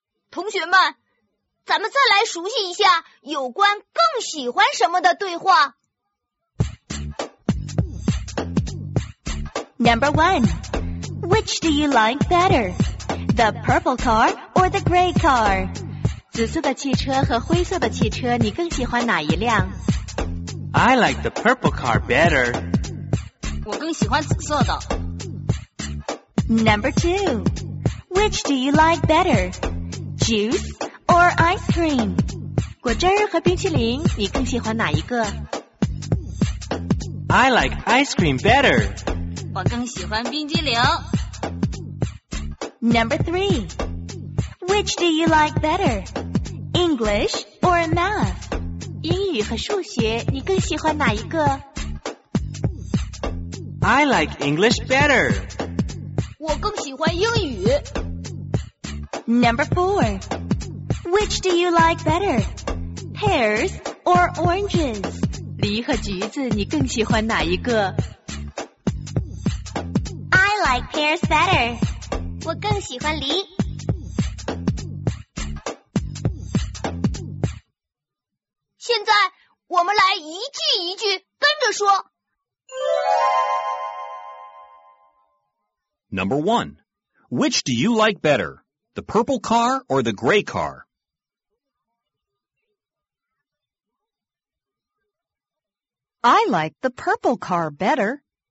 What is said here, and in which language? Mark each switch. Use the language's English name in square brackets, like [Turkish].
[Chinese] 同学们，咱们再来熟悉一下有关更喜欢什么的对话。 [English] Number one, which do you like better, the purple car or the gray car? [Chinese] 紫色的汽车和灰色的汽车，你更喜欢哪一辆？ [English] I like the purple car better. [Chinese] 我更喜欢紫色的。 [English] Number two, which do you like better, juice or ice cream? [Chinese] 果汁和冰淇淋，你更喜欢哪一个？ [English] I like ice cream better. [Chinese] 我更喜欢冰激凌。 [English] Number three, which do you like better, English or math? [Chinese] 英语和数学，你更喜欢哪一个？ [English] I like English better. [Chinese] 我更喜欢英语。 [English] Number four, which do you like better, pears or oranges? [Chinese] 梨和橘子，你更喜欢哪一个？ [English] I like pears better. [Chinese] 我更喜欢梨。现在我们来一句一句跟着说。 [English] Number one, which do you like better, the purple car or the gray car? I like the purple car better.